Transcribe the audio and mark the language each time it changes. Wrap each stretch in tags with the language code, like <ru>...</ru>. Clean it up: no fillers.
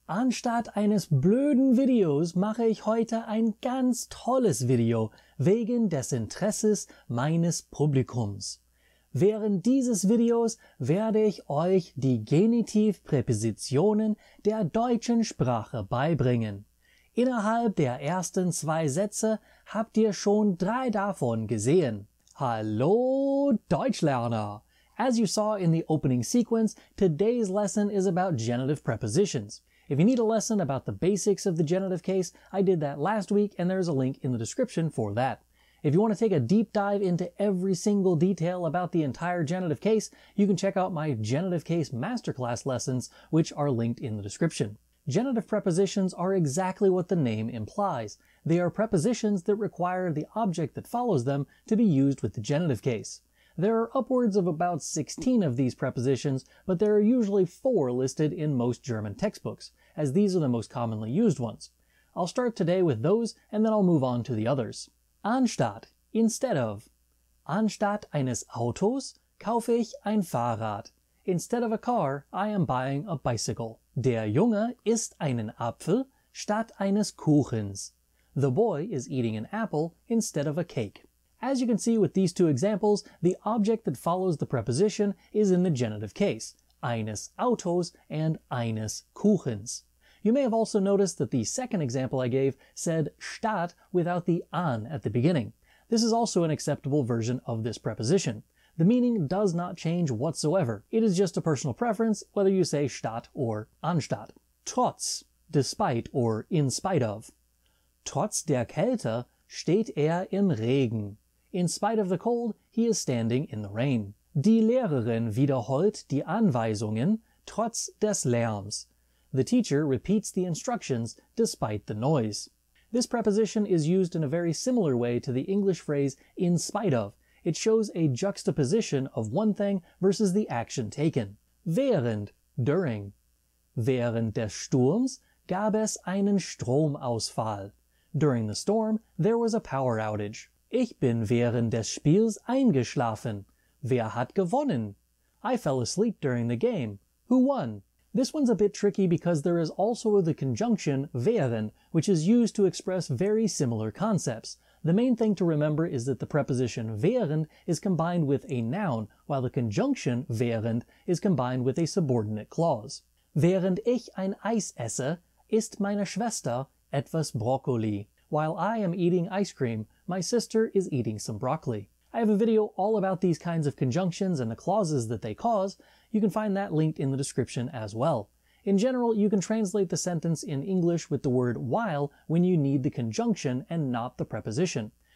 <de>Anstatt eines blöden Videos mache ich heute ein ganz tolles Video wegen des Interesses meines Publikums. Während dieses Videos werde ich euch die Genitivpräpositionen der deutschen Sprache beibringen. Innerhalb der ersten zwei Sätze habt ihr schon drei davon gesehen. Hallo Deutschlerner!</de> <en>As you saw in the opening sequence, today's lesson is about genitive prepositions. If you need a lesson about the basics of the genitive case, I did that last week and there's a link in the description for that. If you want to take a deep dive into every single detail about the entire genitive case, you can check out my genitive case masterclass lessons, which are linked in the description. Genitive prepositions are exactly what the name implies. They are prepositions that require the object that follows them to be used with the genitive case. There are upwards of about 16 of these prepositions, but there are usually four listed in most German textbooks, as these are the most commonly used ones. I'll start today with those, and then I'll move on to the others.</en> <de>Anstatt,</de> <en>instead of.</en> <de>Anstatt eines Autos kaufe ich ein Fahrrad.</de> <en>Instead of a car, I am buying a bicycle.</en> <de>Der Junge isst einen Apfel statt eines Kuchens.</de> <en>The boy is eating an apple instead of a cake. As you can see with these two examples, the object that follows the preposition is in the genitive case,</en> <de>eines Autos</de> <en>and</en> <de>eines Kuchens.</de> <en>You may have also noticed that the second example I gave said statt without the an at the beginning. This is also an acceptable version of this preposition. The meaning does not change whatsoever. It is just a personal preference whether you say statt or anstatt.</en> <de>Trotz,</de> <en>despite or in spite of.</en> <de>Trotz der Kälte steht im Regen.</de> <en>In spite of the cold, he is standing in the rain.</en> <de>Die Lehrerin wiederholt die Anweisungen trotz des Lärms.</de> <en>The teacher repeats the instructions despite the noise. This preposition is used in a very similar way to the English phrase in spite of. It shows a juxtaposition of one thing versus the action taken.</en> <de>Während, during. Während des Sturms gab es einen Stromausfall.</de> <en>During the storm, there was a power outage.</en> <de>Ich bin während des Spiels eingeschlafen. Wer hat gewonnen?</de> <en>I fell asleep during the game. Who won? This one's a bit tricky because there is also the conjunction während, which is used to express very similar concepts. The main thing to remember is that the preposition während is combined with a noun, while the conjunction während is combined with a subordinate clause.</en> <de>Während ich ein Eis esse, isst meine Schwester etwas Brokkoli.</de> <en>While I am eating ice cream, my sister is eating some broccoli. I have a video all about these kinds of conjunctions and the clauses that they cause. You can find that linked in the description as well. In general, you can translate the sentence in English with the word while when you need the conjunction and not the preposition.</en>